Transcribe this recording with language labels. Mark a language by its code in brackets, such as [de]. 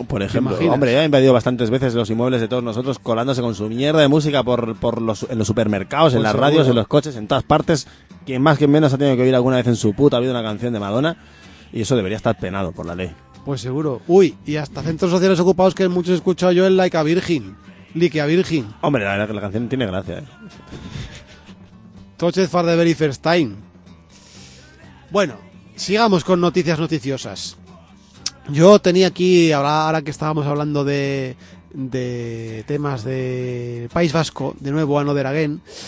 [es] Por ejemplo, hombre, ya ha invadido bastantes veces los inmuebles de todos nosotros, colándose con su mierda de música en los supermercados, pues en las radios, en los coches, en todas partes. Quien más que menos ha tenido que oír alguna vez en su puta vida una canción de Madonna. Y eso debería estar penado por la ley. Pues seguro. Uy, y hasta centros sociales ocupados, que muchos he escuchado yo, el Like a Virgin. [en] Like a Virgin. [es] Hombre, la verdad que la canción tiene gracia, ¿eh? [en] Touched for the very first time. [es] Bueno, sigamos con noticias noticiosas. Yo tenía aquí, ahora que estábamos hablando de temas de País Vasco, de nuevo [en] Another Again...